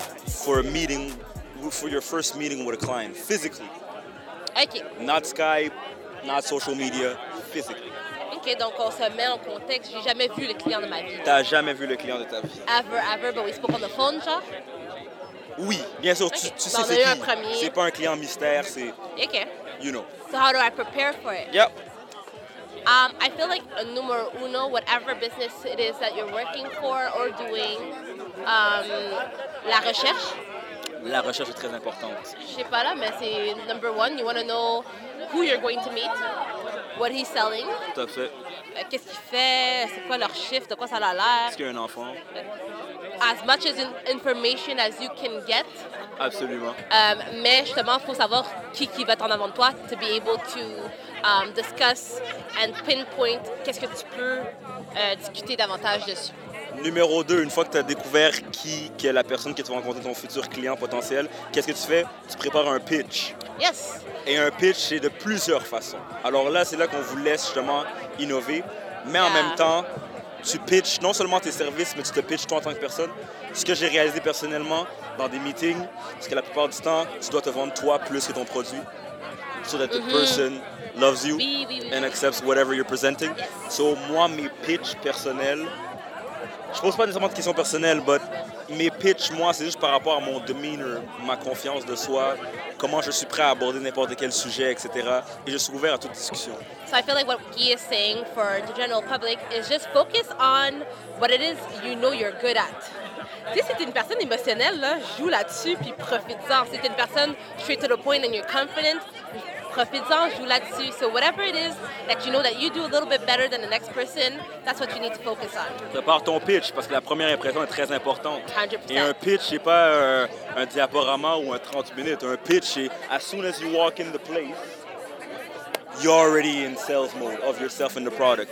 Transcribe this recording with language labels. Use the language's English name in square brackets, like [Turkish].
[English] For a meeting, for your first meeting with a client, physically. Okay. Not Skype, not social media, physically. [French] Okay, donc on se met en contexte, j'ai jamais vu le client de ma vie. T'as jamais vu le client de ta vie? [English] Ever, but we spoke on the phone, [French] genre? Oui, bien sûr, okay. Tu sais c'est qui. Premier. C'est pas un client mystère, c'est... [English] Okay. You know. So how do I prepare for it? Yep. I feel like a numero uno, whatever business it is that you're working for or doing, [French] la recherche. La recherche est très importante. Je sais pas là, mais c'est [English] number one. You want to know who you're going to meet, what he's selling. [French] Tout à fait. Qu'est-ce qu'il fait, c'est quoi leur chiffre, de quoi ça a l'air. Est-ce qu'il y a un enfant? [English] As much as information as you can get. [French] Absolument. Mais justement, il faut savoir qui va être en avant de toi [English] to be able to discuss and pinpoint [French] qu'est-ce que tu peux discuter davantage dessus. Numéro 2, une fois que tu as découvert qui est la personne que tu vas rencontrer, ton futur client potentiel, qu'est-ce que tu fais? Tu prépares un pitch. [English] Yes. [French] Et un pitch, c'est de plusieurs façons. Alors là, c'est là qu'on vous laisse justement innover. Mais [English] yeah. [French] En même temps, tu pitches non seulement tes services, mais tu te pitches toi en tant que personne. Ce que j'ai réalisé personnellement dans des meetings, c'est que la plupart du temps, tu dois te vendre toi plus que ton produit. [English] So that the person loves you and accepts whatever you're presenting. Yes. [French] So moi, mes pitchs personnels, je pose pas nécessairement de questions personnelles, but mes pitchs, moi, c'est juste par rapport à mon demeanor, ma confiance de soi, comment je suis prêt à aborder n'importe quel sujet, etc. Et je suis ouvert à toute discussion. [English] So I feel like what Guy is saying for the general public is just focus on what it is you know you're good at. [French] Tu sais, si t'es une personne émotionnelle, là, joue là-dessus puis profite-en. Si t'es une personne [English] straight to the point and you're confident, [French] profite-en, joue là-dessus. [English] So whatever it is that you know that you do a little bit better than the next person, that's what you need to focus on. [French] Prépare ton pitch parce que la première impression est très importante. 100%. Et un pitch, c'est pas un diaporama ou un 30 minutes. Un pitch, c'est [English] as soon as you walk in the place, you're already in sales mode of yourself and the product.